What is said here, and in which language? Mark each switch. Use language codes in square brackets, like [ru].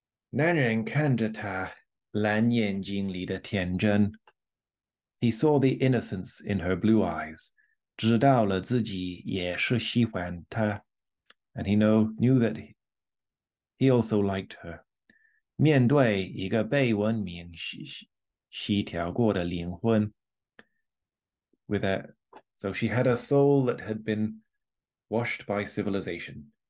[zh] 男人看着她蓝眼睛里的天真, [en] he saw the innocence in her blue eyes, [zh] 知道了自己也是喜欢她, [en] and he knew that he also liked her. [zh] 面对一个被文明洗条过的灵魂, [en] so she had a soul that had been washed by civilization.